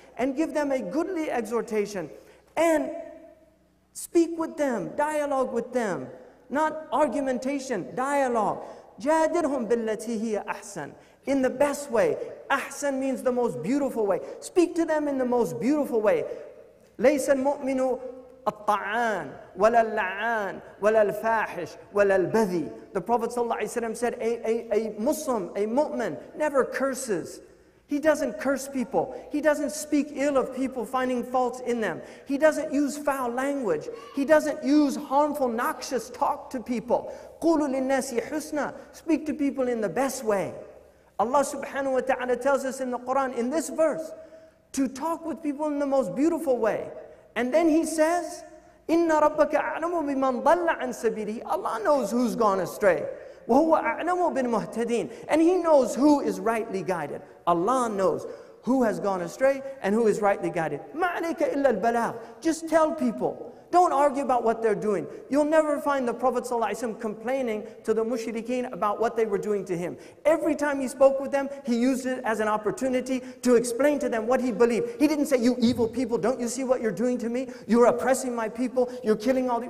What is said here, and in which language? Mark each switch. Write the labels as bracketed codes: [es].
[en] And give them a goodly exhortation. And speak with them, dialogue with them. Not argumentation, dialogue. [ar] جَادِرْهُمْ بِالَّتِي هِيَ أَحْسَنُ [en] In the best way. أحسن means the most beautiful way. Speak to them in the most beautiful way. [ar] لَيْسَ الْمُؤْمِنُ الطَّعَانُ وَلَا اللَّعَانُ وَلَا الْفَاحِشُ وَلَا الْبَذِي [en] The Prophet ﷺ said, a Muslim, a mu'min, never curses. He doesn't curse people. He doesn't speak ill of people finding faults in them. He doesn't use foul language. He doesn't use harmful, noxious talk to people. [ar] قُولُوا لِلنَّاسِ حُسْنًا [en] Speak to people in the best way. Allah subhanahu wa ta'ala tells us in the Quran, in this verse, to talk with people in the most beautiful way. And then he says, [ar] إِنَّ رَبَّكَ أَعْلَمُ بِمَنْ ضَلَّ عَنْ سَبِيلِهِ [en] Allah knows who's gone astray. [ar] وَهُوَ أَعْلَمُ بِالْمُهْتَدِينَ [en] And he knows who is rightly guided. Allah knows who has gone astray and who is rightly guided. [ar] مَا عَلَيْكَ إِلَّا الْبَلَاغُ [en] Just tell people. Don't argue about what they're doing. You'll never find the Prophet ﷺ complaining to the mushrikeen about what they were doing to him. Every time he spoke with them, he used it as an opportunity to explain to them what he believed. He didn't say, you evil people, don't you see what you're doing to me? You're oppressing my people, you're killing all the...